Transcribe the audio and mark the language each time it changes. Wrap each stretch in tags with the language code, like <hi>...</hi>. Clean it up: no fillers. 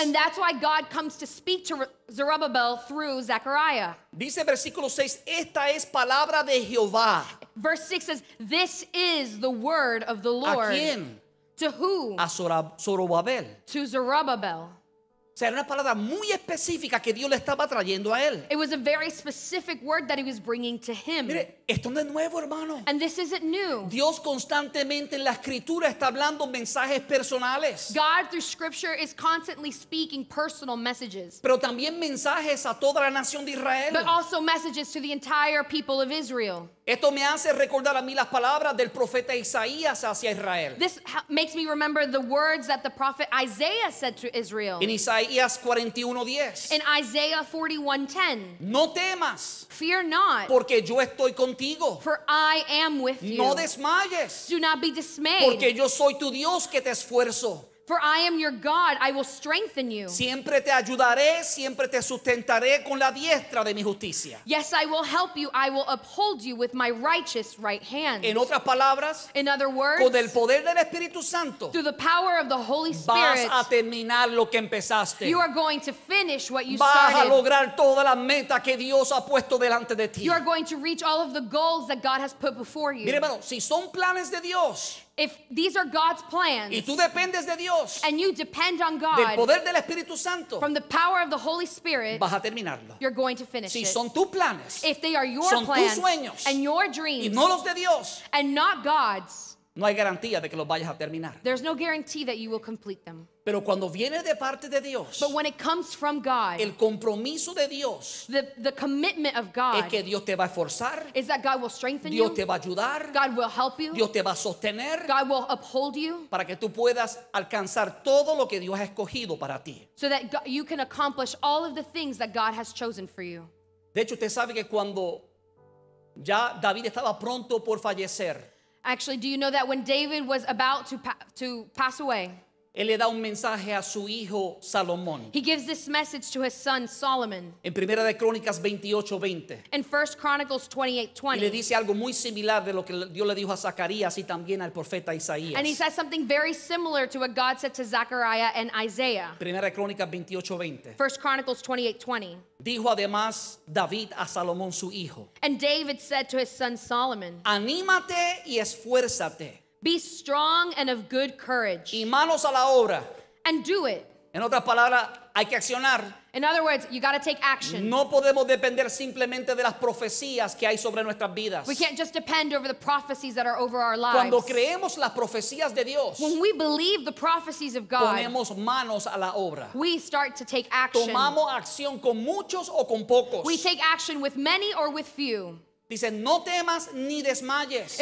<en>And that's why God comes to speak to Zerubbabel through Zechariah.</en> <es>Dice versículo 6, esta es palabra de Jehová.</es> <en>Verse 6 says, this is the word of the Lord.</en> <es>¿A quién?</es> <en>To who?</en> <es>A Zorobabel.</es> <en>To Zerubbabel.</en> <es>O sea, era una palabra muy específica que Dios le estaba trayendo a él.</es> <en>It was a very specific word that he was bringing to him.</en> <es>Mire, esto no es nuevo, hermano.</es> <en>And this isn't new.</en> <es>Dios constantemente en la escritura está hablando mensajes personales.</es> <en>God through scripture is constantly speaking personal messages.</en> <es>Pero también mensajes a toda la nación de Israel.</es> <en>But also messages to the entire people of Israel.</en> <es>Esto me hace recordar a mí las palabras del profeta Isaías hacia Israel.</es> <en>This makes me remember the words that the prophet Isaiah said to Israel.</en> <es>En Isaías 41:10.</es> <en>In Isaiah 41:10.</en> <es>No temas.</es> <en>Fear not.</en> <es>Porque yo estoy contigo.</es> <en>For I am with you.</en> <es>No desmayes.</es> <en>Do not be dismayed.</en> <es>Porque yo soy tu Dios que te esfuerzo.</es> <en>For I am your God, I will strengthen you.</en> <es>Siempre te ayudaré, siempre te sustentaré con la diestra de mi justicia.</es> <en>Yes, I will help you, I will uphold you with my righteous right hand.</en> <es>En otras palabras,</es> <en>in other words,</en> <es>con el poder del Espíritu Santo,</es> <en>through the power of the Holy Spirit,</en> <es>vas a terminar lo que empezaste.</es> <en>You are going to finish what you</en> <es>vas Vas a lograr todas las metas que Dios ha puesto delante de ti.</es> <en>You are going to reach all of the goals that God has put before you.</en> <es>Mire, hermano, si son planes de Dios,</es> <en>if these are God's plans,</en> <es>y tú dependes de Dios,</es> <en>and you depend on God,</en> <es>del poder del Espíritu Santo,</es> <en>from the power of the Holy Spirit,</en> <es>vas a terminarlo.</es> <en>You're going to finish</en> <es>si</es> <en>it.</en> <es>Son tus planes,</es> <en>if they are your</en> <es>son</es> <en>plans</en> <es>tus sueños,</es> <en>and your dreams,</en> <es>y no los de Dios,</es> <en>and not God's,</en> <es>no hay garantía de que los vayas a terminar.</es> <en>There's no guarantee that you will complete them.</en> <es>Pero cuando viene de parte de Dios,</es> <en>but when it comes from God,</en> <es>el compromiso de Dios,</es> <en>the commitment of God,</en> <es>es que Dios te va a forzar,</es> <en>is that God will strengthen</en> <es>Dios</es> <en>you,</en> <es>Dios te va a ayudar,</es> <en>God will help you,</en> <es>Dios te va a sostener,</es> <en>God will uphold you,</en> <es>para que tú puedas alcanzar todo lo que Dios ha escogido para ti,</es> <en>so that you can accomplish all of the things that God has chosen for you.</en> <es>De hecho, usted sabe que cuando ya David estaba pronto por fallecer.</es> <en>Actually, do you know that when David was about to pass away?</en> <es>Él le da un mensaje a su hijo Salomón.</es> <en>He gives this message to his son Solomon.</en> <es>En Primera de Crónicas 28:20.</es> <en>In 1 Chronicles 28:20.</en> <es>Y le dice algo muy similar de lo que Dios le dijo a Zacarías y también al profeta Isaías.</es> <en>And he says something very similar to what God said to Zechariah and Isaiah.</en> <es>Primera de Crónicas 28:20.</es> <en>1 Chronicles 28:20.</en> <es>Dijo además David a Salomón su hijo.</es> <en>And David said to his son Solomon.</en> <es>Anímate y esfuérzate.</es> <en>Be strong and of good courage.</en> <es>Y manos a la obra.</es> <en>And do it.</en> <es>En otras palabras, hay que accionar.</es> <en>In other words, you got to take action.</en> <es>No podemos depender simplemente de las profecías que hay sobre nuestras vidas.</es> <en>We can't just depend over the prophecies that are over our lives.</en> <es>Cuando creemos las profecías de Dios,</es> <en>when we believe the prophecies of God,</en> <es>ponemos manos a la obra.</es> <en>We start to take action.</en> <es>Tomamos acción con muchos o con pocos.</es> <en>We take action with many or with few.</en> <es>Dice, no temas ni desmayes.</es>